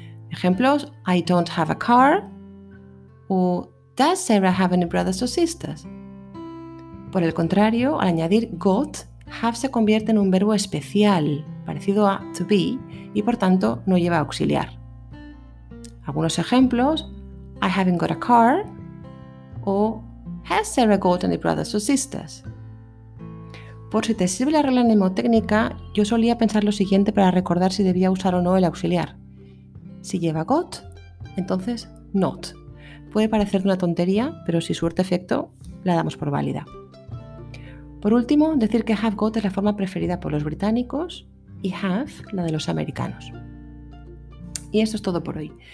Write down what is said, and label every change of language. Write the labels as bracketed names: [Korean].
[English] Ejemplos, I don't have a car, o does Sarah have any brothers or sisters? [Spanish] Por el contrario, al añadir got, have se convierte en un verbo especial, parecido a to be, y por tanto no lleva auxiliar. [English] Algunos ejemplos, I haven't got a car, o has Sarah got any brothers or sisters? [Spanish] Por si te sirve la regla mnemotécnica, yo solía pensar lo siguiente para recordar si debía usar o no el auxiliar. Si lleva got, entonces not. Puede parecer una tontería, pero si surte efecto, la damos por válida. Por último, decir que have got es la forma preferida por los británicos y have la de los americanos. Y esto es todo por hoy.